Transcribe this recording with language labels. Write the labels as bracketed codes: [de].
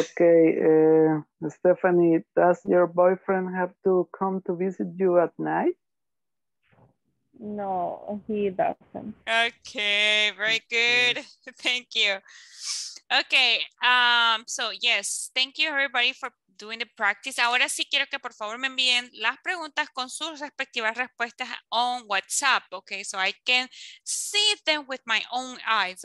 [en] Okay, Stephanie, does your boyfriend have to come to visit you at night? No, he doesn't. Okay, very good. Thank you. Okay, so yes, thank you everybody for doing the practice. [es] Ahora sí quiero que por favor me envíen las preguntas con sus respectivas respuestas [en] on WhatsApp. Okay, so I can see them with my own eyes.